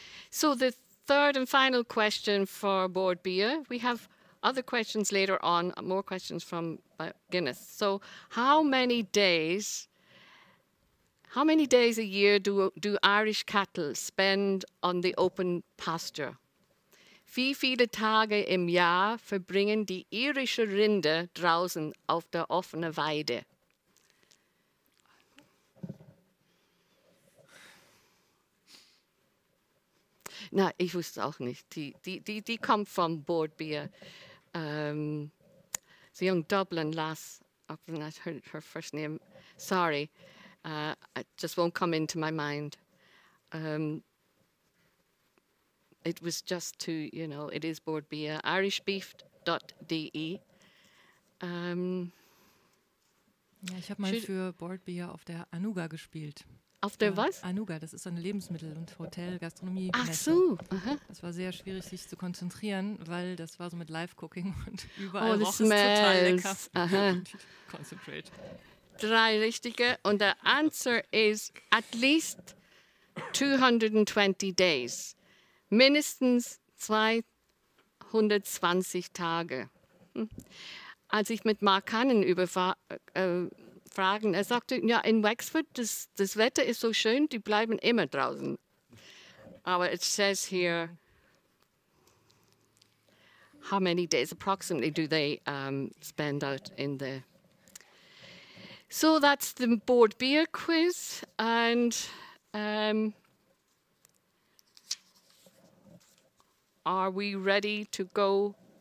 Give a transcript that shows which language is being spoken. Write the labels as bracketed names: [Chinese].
[English] So the third and final question for Board Beer. We have other questions later on, more questions from Guinness. So how many days a year do Irish cattle spend on the open pasture? [German] Wie viele Tage im Jahr verbringen die irische Rinde draußen auf der offenen Weide? Na, ich wusste auch nicht. Die kommt vom Board Beer. [English] So young Dublin lass, I've forgotten her first name. Sorry. It just won't come into my mind. It was just to, you know, it is Board Beer, irishbeef.de. [German] Ja, ich habe mal für Board Beer auf der Anuga gespielt. Auf der was? Anuga, das ist eine Lebensmittel- und Hotel-Gastronomie. Ach so. Das war sehr schwierig, sich zu konzentrieren, weil das war so mit Live-Cooking und überall roch es total lecker. [English] Concentrate. [German] Drei richtige und der [English] answer is at least 220 days. [German] Mindestens 220 Tage. Als ich mit Mark Cannon fragen, er sagte, ja, in Wexford, das Wetter ist so schön, die bleiben immer draußen. Aber [English] it says here, how many days approximately do they spend out in the... So that's the Board Beer quiz, and are we ready to go?